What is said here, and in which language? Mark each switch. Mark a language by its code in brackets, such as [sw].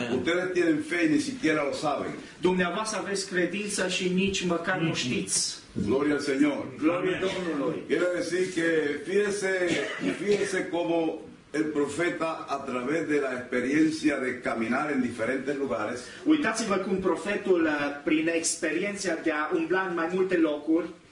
[es] Ustedes tienen fe y ni siquiera lo saben. [ro] Dumneavoastră aveți credința și nici măcar nu știți. [es] Gloria al Señor. [ro] Gloria a Domnului. [es] Quiero decir que fíjese cómo el profeta a través de la experiencia de caminar en diferentes lugares. [ro] Uitați-vă cum profetul prin experiența de a umbla în mai multe locuri.